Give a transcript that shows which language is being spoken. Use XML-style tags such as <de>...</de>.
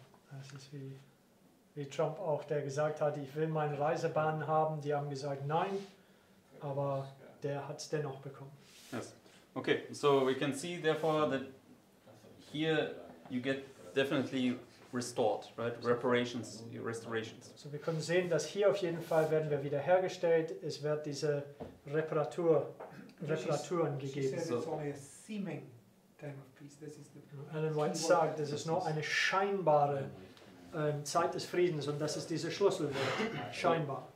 <de>Das ist wie Trump auch, der gesagt hat, ich will meine Reisebahn haben. Die haben gesagt, nein, aber der hat es dennoch bekommen.</de> <en>Yes. Okay, so we can see therefore that here you get definitely restored, right? Reparations, restorations.</en> <de>So wir können sehen, dass hier auf jeden Fall werden wir wiederhergestellt. Es wird diese Reparaturen gegeben.</de> <en>She said it's only a seeming time of peace. This is the</en> <de>Ellen White sagt, es ist nur eine scheinbare Zeit des Friedens, und das ist diese Schlüsselwort, scheinbar.</de>